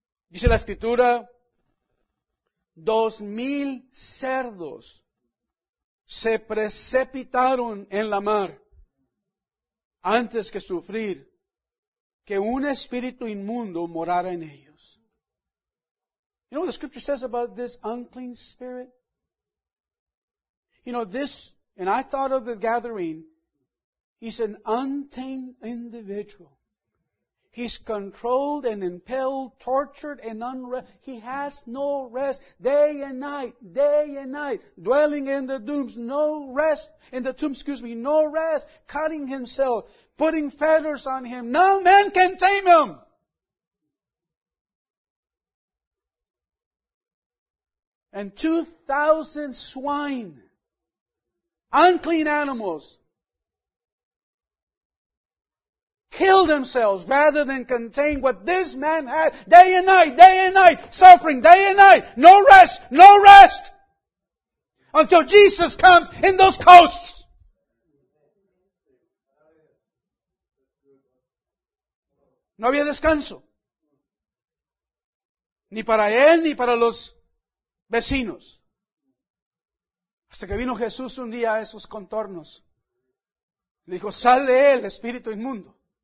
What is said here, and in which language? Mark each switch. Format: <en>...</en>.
<es>Dice la Escritura, 2,000 cerdos se precipitaron en la mar antes que sufrir que un espíritu inmundo morara en ellos.</es> <en>You know what the Scripture says about this unclean spirit? You know, this, and I thought of the gathering, he's an untamed individual. He's controlled and impelled, tortured and unrest. He has no rest day and night, dwelling in the tombs, no rest, in the tombs, excuse me, no rest, cutting himself, putting fetters on him. No man can tame him. And 2,000 swine, unclean animals, kill themselves rather than contain what this man had day and night, suffering day and night, no rest, no rest, until Jesus comes in those coasts.</en> <es>No había descanso, ni para él, ni para los vecinos. Hasta que vino Jesús un día a esos contornos. Le dijo, sal de él, espíritu inmundo.</es>